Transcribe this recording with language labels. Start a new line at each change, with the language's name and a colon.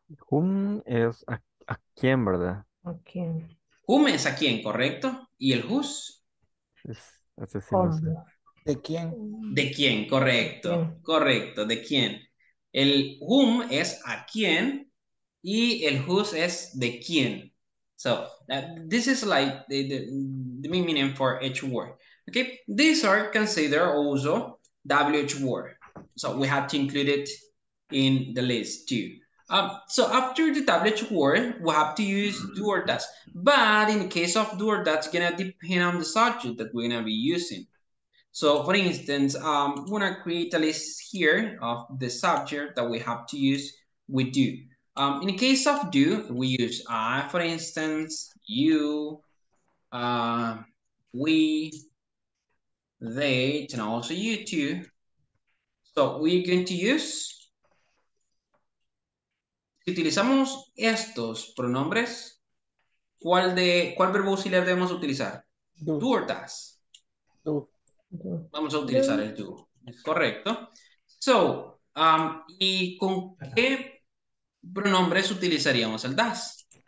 Spanish: Whom es a quién, ¿verdad? A quién. Whom es a quién, ¿correcto? ¿Y el whose? ¿De quién? ¿De quién, correcto? ¿Quién? Correcto, ¿de quién? El whom es a quién y el whose es de quién.
English: So, this is like the main meaning for each word. Okay, these are considered also WH word. So, we have to include it in the list too. So, after the WH word, we have to use do or does. But in the case of do or does, it's going to depend on the subject that we're going to be using. So, for instance, I'm going to create a list here of the subject that we have to use with do. In the case of do, we use I, for instance, you, we, they, and also you too. So, we're going to use...
Spanish: Si utilizamos estos pronombres, ¿cuál verbo auxiliar debemos utilizar?
English: Do or does. Do.
Spanish: Vamos a utilizar el do. Correcto. So, ¿y con qué pronombres utilizaríamos el does?